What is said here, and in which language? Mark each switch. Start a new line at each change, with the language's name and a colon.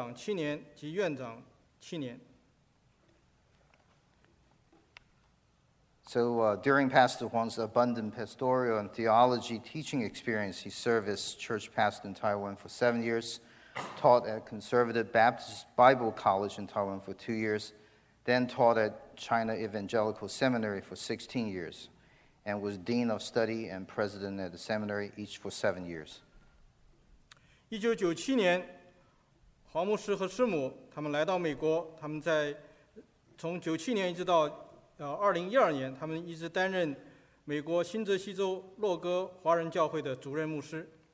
Chinese: 黄牧师有丰富的牧会和神学教育的经验，他曾在台湾牧会七年，在浸信宣道会神学院任教两年，在中华福音神学院任教16年，其中任教务长7年及院长7年。
English: So during Pastor Huang's abundant pastoral and theology teaching experience, he served as church pastor in Taiwan for 7 years, taught at Conservative Baptist Bible College in Taiwan for 2 years, then taught at China Evangelical Seminary for 16 years, and was dean of study and president at the seminary each for 7 years.
Chinese: 1997年，黄牧师和师母他们来到美国，他们在从97年一直到 2012年，他们一直担任美国新泽西州洛哥华人教会的主任牧师。